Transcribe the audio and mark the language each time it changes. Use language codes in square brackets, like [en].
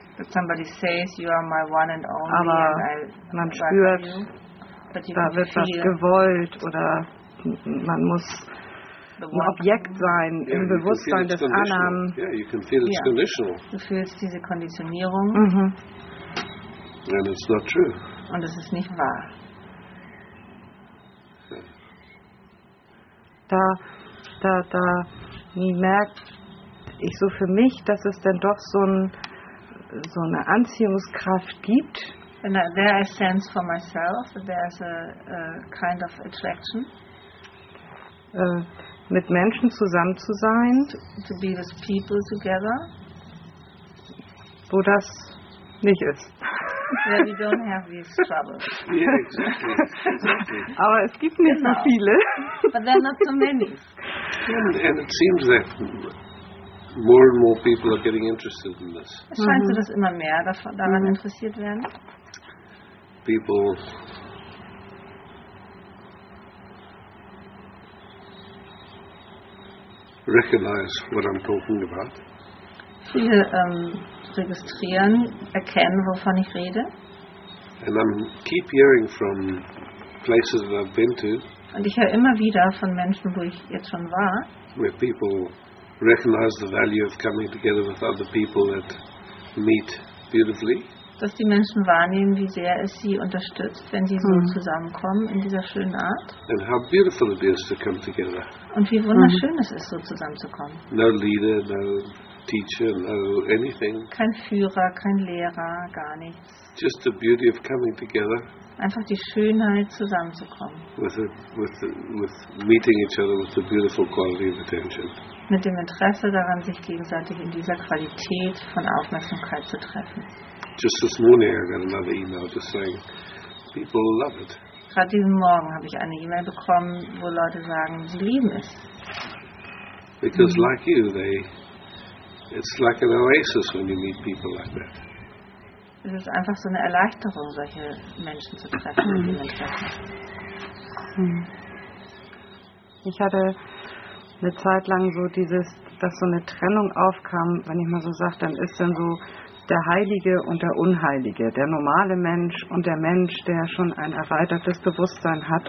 [en] But somebody says you are my one and only. [de] Aber [en] and [de] man spürt, da wird was gewollt oder man muss ein Objekt sein, [en] yeah, [de] im Bewusstsein des anderen. [en] Yeah, you can feel it's conditional. [de] Du fühlst diese Konditionierung. Mm-hmm. [en] And it's not true. [de] Und es ist nicht wahr. Da nie merke ich so für mich, dass es denn doch so eine Anziehungskraft gibt. [en] And there I sense for myself that there's a kind of attraction. [de] Mit Menschen zusammen zu sein. [en] To be with people together. [de] Wo das nicht ist. [en] Where we don't have these troubles. Yeah, exactly. [de] Aber es gibt nicht so viele. [en] But there are not so many. And it seems that more and more people are getting interested in this. [de] Es scheint so, dass immer mehr daran interessiert werden. [en] People recognize what I'm talking about. [de] Viele registrieren, erkennen, wovon ich rede. [en] And I'm keep hearing from places that I've been to. [de] Und ich höre immer wieder von Menschen, wo ich jetzt schon war. [en] Where people recognize the value of coming together with other people that meet beautifully. [de] Dass die Menschen wahrnehmen, wie sehr es sie unterstützt, wenn sie so zusammenkommen in dieser schönen Art. [en] And how beautiful it is to come together. [de] Und wie wunderschön es ist, so zusammenzukommen. [en] No leader, no teacher, no anything. [de] Kein Führer, kein Lehrer, gar nichts. [en] Just the beauty of coming together. [de] Einfach die Schönheit, zusammenzukommen. [en] With meeting each other with the beautiful quality of attention. [de] Mit dem Interesse daran, sich gegenseitig in dieser Qualität von Aufmerksamkeit zu treffen. [en] Just this morning I got another email just saying people love it. [de] Gerade diesen Morgen habe ich eine E-Mail bekommen, wo Leute sagen, sie lieben es. [en] Because like you, it's like an oasis when you meet people like that. [de] Es ist einfach so eine Erleichterung, solche Menschen zu treffen. Ich hatte eine Zeit lang so dieses, dass so eine Trennung aufkam, wenn ich mal so sage, dann ist dann so der Heilige und der Unheilige, der normale Mensch und der Mensch, der schon ein erweitertes Bewusstsein hat.